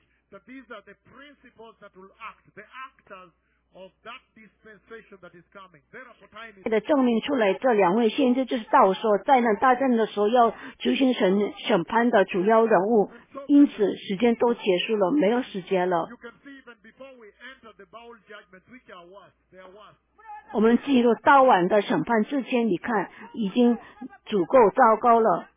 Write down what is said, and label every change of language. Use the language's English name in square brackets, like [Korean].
[English] That these are the principles that will act, the actors of that dispensation that is coming. Therefore, time is. [Chinese] 证明出来，这两位先知就是到时候灾难大战的时候要执行神审判的主要人物。因此，时间都结束了，没有时间了。 [English] You can see even before we enter the bowl judgment, which are worse, they are worse. [Chinese] 我们进入刀碗的审判之前，你看已经足够糟糕了。